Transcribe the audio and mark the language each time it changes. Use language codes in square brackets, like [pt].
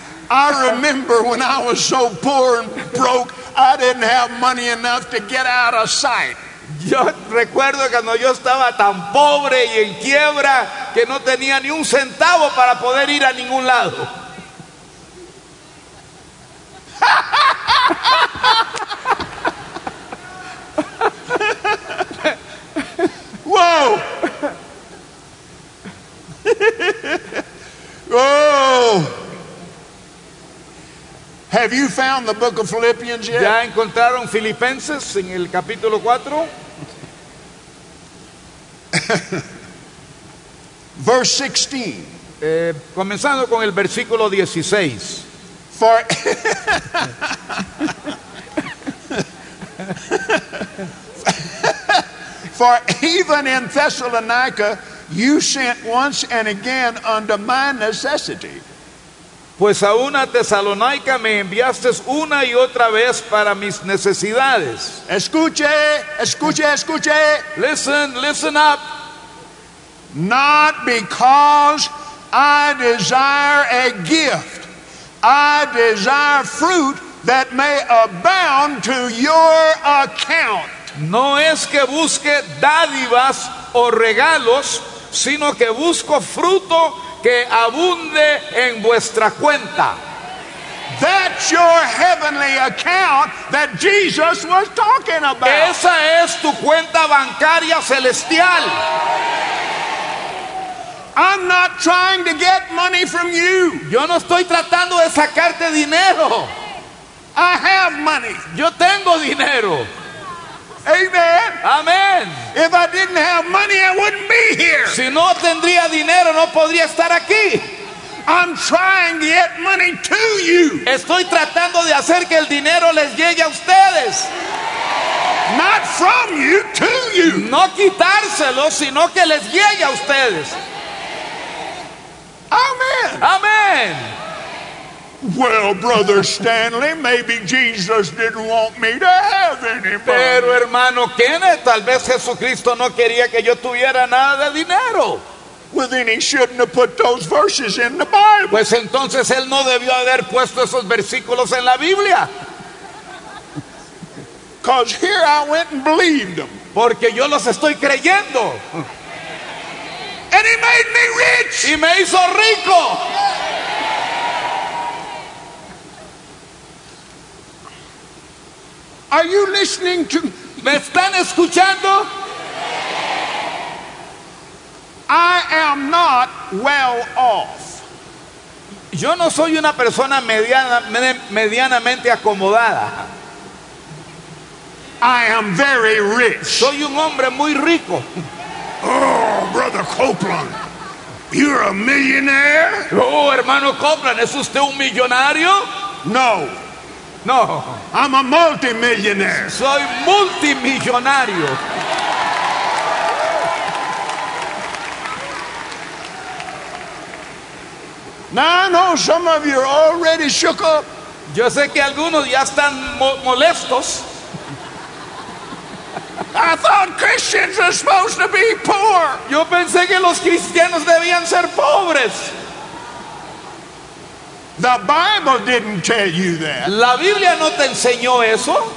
[en] I remember when I was so poor and broke, I didn't have money enough to get out of sight. [es] Yo recuerdo cuando yo estaba tan pobre y en quiebra que no tenía ni un centavo para poder ir a ningún lado. Wow. Wow. [en] Have you found the book of Philippians yet? [es] ¿Ya encontraron Filipenses en el capítulo 4? [en] Verse 16. [es] Comenzando con el versículo 16. [en] For for even in Thessalonica you sent once and again unto my necessity. [es] Pues aún a Tesalónica me enviaste una y otra vez para mis necesidades. Escuche, escuche, escuche. [en] Listen, listen up. Not because I desire a gift, I desire fruit that may abound to your account. [es] No es que busque dádivas o regalos, sino que busco fruto que abunde en vuestra cuenta. [en] That's your heavenly account that Jesus was talking about. [es] Esa es tu cuenta bancaria celestial. [en] I'm not trying to get money from you. [es] Yo no estoy tratando de sacarte dinero. [en] I have money. [es] Yo tengo dinero. Amen. Amen. [en] If I didn't have money, I wouldn't be here. [es] Si no tendría dinero, no podría estar aquí. [en] I'm trying to get money to you. [es] Estoy tratando de hacer que el dinero les llegue a ustedes. [en] Not from you, to you. [es] No quitárselo, sino que les llegue a ustedes. Amen. Amen. [en] Well, Brother Stanley, maybe Jesus didn't want me to have any money. [es] Pero hermano Kenneth, tal vez Jesucristo no quería que yo tuviera nada de dinero. [en] Well, then he shouldn't have put those verses in the Bible. [es] Pues entonces él no debió haber puesto esos versículos en la Biblia. [en] Because here I went and believed them. [es] Porque yo los estoy creyendo. [en] And he made me rich. [es] Y me hizo rico. [en] Are you listening to [es] me? ¿Me están escuchando? [en] I am not well off. [es] Yo no soy una persona medianamente acomodada. [en] I am very rich. [es] Soy un hombre muy rico. [en] Oh, Brother Copeland, you're a millionaire? [es] Oh, hermano Copeland, ¿es usted un millonario? [en] No. [es] No. [en] I'm a multimillionaire. [es] Soy multimillonario. [en] Now I know some of you are already shook up. [es] Yo sé que algunos ya están molestos. [en] I thought Christians are supposed to be poor. [es] Yo pensé que los cristianos debían ser pobres. [en] The Bible didn't tell you that. [es] La Biblia no te enseñó eso.